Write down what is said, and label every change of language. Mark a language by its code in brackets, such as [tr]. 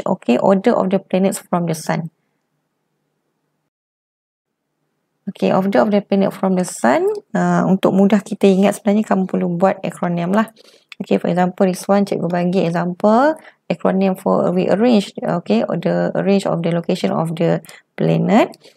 [en] Okay, order of the planets from the sun. Okay, order of the planet from the sun. [ms] Untuk mudah kita ingat, sebenarnya kamu perlu buat acronym lah. [en] Okay, for example, this one [ms] cikgu bagi [en] example. Acronym for rearrange. Okay, order arrange of the location of the planet.